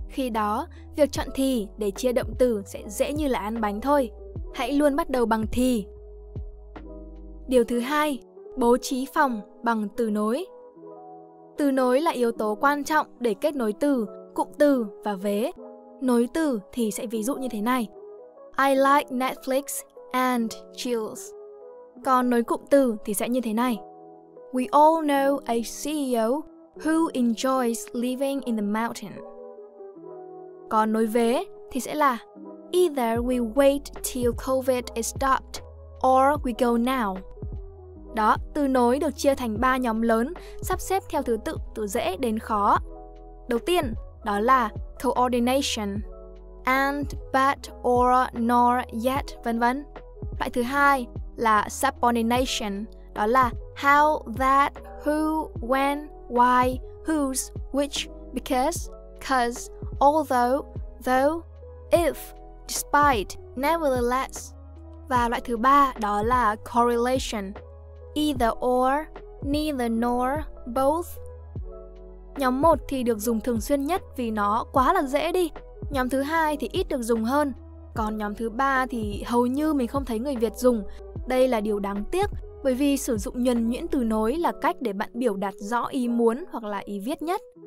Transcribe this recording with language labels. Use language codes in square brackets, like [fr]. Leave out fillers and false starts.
[vi] Khi đó, việc chọn thì để chia động từ sẽ dễ như là ăn bánh thôi. Hãy luôn bắt đầu bằng thì. Điều thứ hai, bố trí phòng bằng từ nối. Từ nối là yếu tố quan trọng để kết nối từ, cụm từ và vế. Nối từ thì sẽ ví dụ như thế này. [en] I like Netflix and chills. [vi] Còn nối cụm từ thì sẽ như thế này. [en] We all know a CEO who enjoys living in the mountain. [vi] Còn nối vế thì sẽ là [en] Either we wait till COVID is stopped or we go now. [vi] Đó, từ nối được chia thành 3 nhóm lớn, sắp xếp theo thứ tự từ dễ đến khó. Đầu tiên, đó là coordination, and, but, or, nor, yet, vân vân. Loại thứ hai là [en] subordination, đó là how, that, who, when, why, whose, which, because, cause, although, though, if, despite, nevertheless. [vi] Và loại thứ ba đó là [en] correlation, either or, neither nor, both. [vi] Nhóm 1 thì được dùng thường xuyên nhất vì nó quá là dễ đi. Nhóm thứ 2 thì ít được dùng hơn. Còn nhóm thứ 3 thì hầu như mình không thấy người Việt dùng. Đây là điều đáng tiếc, bởi vì sử dụng nhuần nhuyễn từ nối là cách để bạn biểu đạt rõ ý muốn hoặc là ý viết nhất.